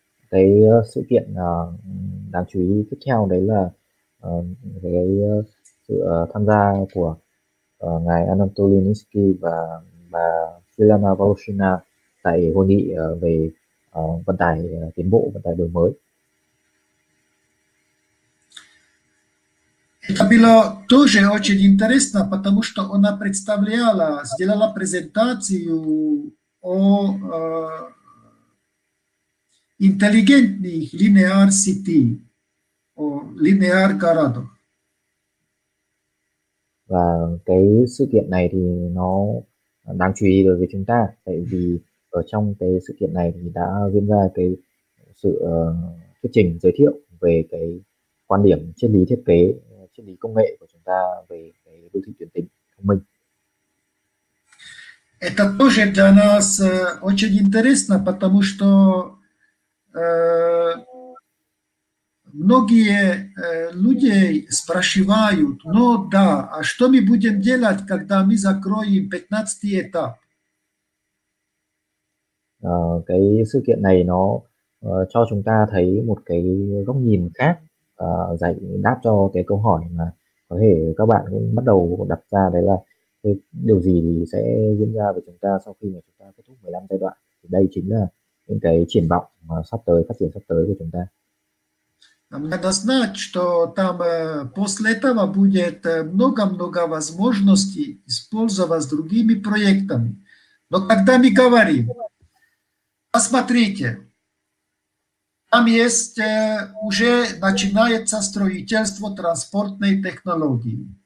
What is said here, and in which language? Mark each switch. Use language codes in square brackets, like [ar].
[vi] Cái sự kiện đáng chú ý tiếp theo đấy là cái sự tham gia của ngài Anatoly Nitsky và bà Filana Voloshina tại hội nghị về vận tải tiến bộ, vận tải đổi mới. [ru] Это было тоже очень интересно, потому что она представляла, сделала презентацию о интеллигентных линеар сети, о линеар городах. [vi] Và cái sự kiện này thì nó đáng chú ý đối với chúng ta, tại vì ở trong cái sự kiện này thì đã diễn ra cái sự thuyết trình giới thiệu về cái quan điểm triết lý thiết kế, triết lý công nghệ của chúng ta về cái đô thị chuyển tính thông minh. [ru] Это тоже для нас очень интересно, потому что многие люди спрашивают, ну да, а что мы будем делать, когда мы закроем 15-й этап? [vi] Cái sự kiện này nó cho chúng ta thấy một cái góc nhìn khác, giải đáp cho cái câu hỏi mà có thể các bạn cũng bắt đầu đặt ra, đấy là cái điều gì thì sẽ diễn ra với chúng ta sau khi mà chúng ta kết thúc 15 giai đoạn. Thì đây chính là những cái triển vọng mà sắp tới, phát triển sắp tới của chúng ta. [ru] Нам надо знать, что там после этого будет много-много возможностей использовать с другими проектами. Но когда мы говорим, посмотрите, там есть, уже начинается строительство транспортной технологии.